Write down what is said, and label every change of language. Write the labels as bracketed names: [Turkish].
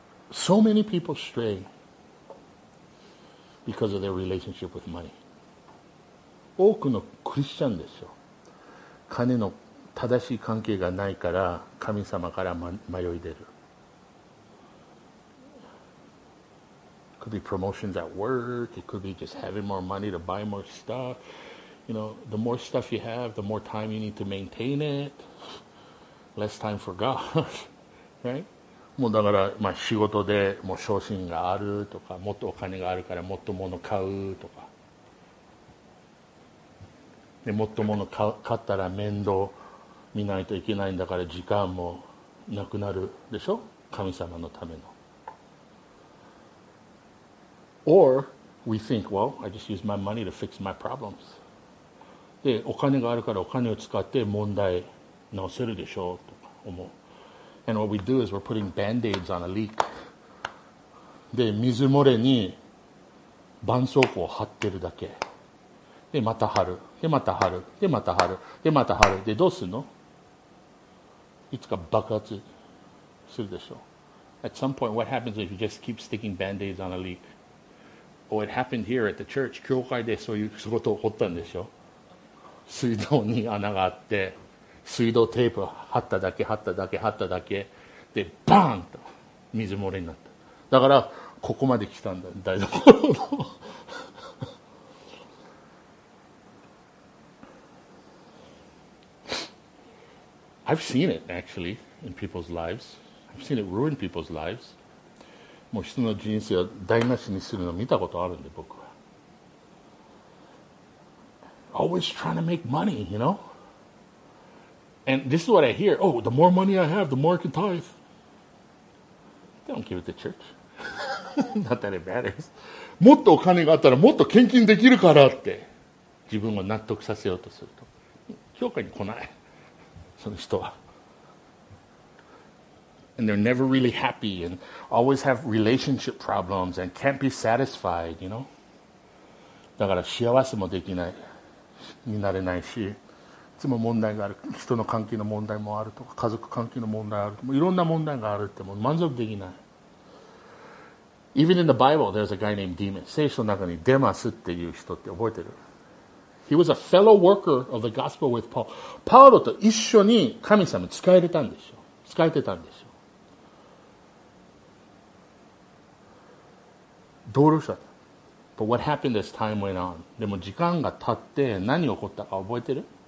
[English] So many people stray because of their relationship with money. [Japanese] 多くのクリスチャンですよ。金の正しい関係がないから神様から迷い出る。 [English] Could be promotions at work. It could be just having more money to buy more stuff. You know, the more stuff you have, the more time you need to maintain it. Less time for God. Right? [Japanese] もうだから、まあ、仕事でもう昇進があるとか、もっとお金があるからもっと物買うとか、でもっと物買ったら面倒見ないといけないんだから時間もなくなるでしょ、神様のための。 [English] Or we think, well, I just use my money to fix my problems. [Japanese] で、お金があるからお金を使って問題直せるでしょうとか思う。 [English] And what we do is we're putting band-aids on a leak. [Japanese] で、水漏れに絆創膏を貼ってるだけ。で、また貼る。で、また貼る。で、また貼る。で、また貼る。で、どうするの？いつか爆発するでしょう。 [English] At some point, what happens if you just keep sticking band-aids on a leak? Oh, it happened here at the church. [Japanese] 教会でそういう仕事を起こったんでしょ。水道に穴があって、水道テープ貼っただけ貼っただけ貼っただけでバーンと水漏れになった。だからここまで来たんだ台所の。 [English] I've seen it actually in people's lives. I've seen it ruin people's lives. [Japanese] もう人の人生を台無しにするの見たことあるんで僕は。 [English] Always trying to make money, you know? And this is what I hear. Oh, the more money I have, the more I can tithe. They don't give it to church. Not that it matters. [Japanese] もっとお金があったらもっと献金できるからって自分を納得させようとすると教会に来ないその人は。 [English] And they're never really happy and always have relationship problems and can't be satisfied, you know? [Japanese] だから幸せもできないになれないし、いつも問題がある、人の関係の問題もあるとか、家族関係の問題あるとか、いろんな問題があるってもう満足できない。 [English] Even in the Bible, there's a guy named Demas. [Japanese] 聖書の中にデマスっていう人って覚えてる？ [English] He was a fellow worker of the gospel with Paul. [Japanese] パウロと一緒に神様使えてたんでしょ。使えてたんでしょ。同僚者。 [English] But what happened as time went on? [Japanese] でも時間が経って何起こったか覚えてる？